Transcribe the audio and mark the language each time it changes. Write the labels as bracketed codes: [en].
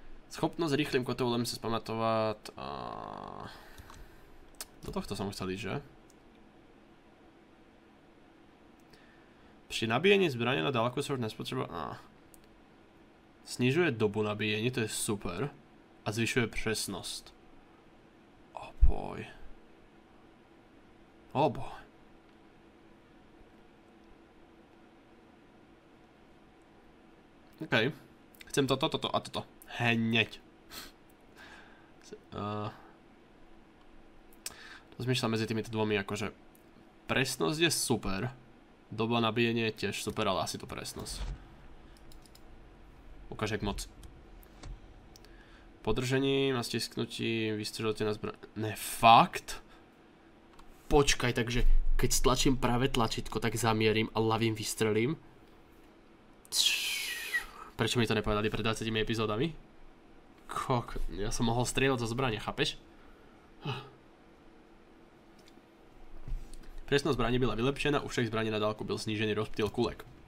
[sk] Schopnosť rýchlym kotoulem sa spamatovať a... Do tohto som chcel ísť, že? Pri nabíjení zbrane na dálku sa už nespotreba... [cs] Snižuje dobu nabíjení, to je super. A zvyšuje presnosť. Oboj. [sk] OK, chcem toto, toto a toto. Hneď. Rozmýšľam medzi týmito dvomi, akože presnosť je super, doba nabíjenia je tiež super, ale asi to presnosť. [cs] Ukáže, jak moc. Podržením a stisknutím vystrelujete na zbraní. Ne, fakt? [sk] Počkaj, takže keď stlačím práve tlačítko, tak zamierim a ľavým vystrelím. Prečo mi to nepovedali pred 20 epizódami? Kok, ja som mohol strieľať zo zbrane, chápeš? [cs] Presnosť zbrane byla vylepšená, u všech zbraní na dálku byl snížený rozptýl kulek.